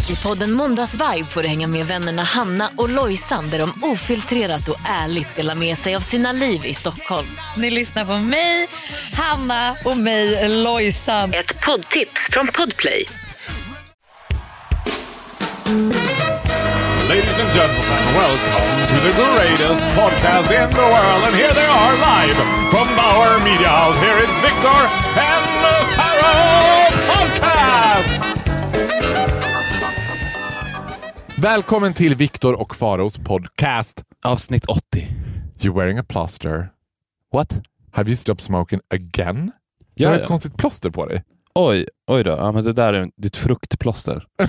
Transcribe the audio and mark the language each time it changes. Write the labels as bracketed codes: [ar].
[sv] I podden Måndags Vibe får du hänga med vännerna Hanna och Lojsan, där de ofiltrerat och ärligt delar med sig av sina liv i Stockholm. Ni lyssnar på mig, Hanna och mig, Lojsan. Ett poddtips från Podplay. [en] Ladies and gentlemen, welcome to the greatest podcast in the world. And here they are, live from Bauer Media House. Here is Victor and the Harold Podcast! [sv] Välkommen till Victor och Faros podcast. Avsnitt 80. [en] You're wearing a plaster. What? Have you stopped smoking again? [sv] Ja, du har ett konstigt plåster på dig. Oj, oj då. Ja, men det där är ditt fruktplåster.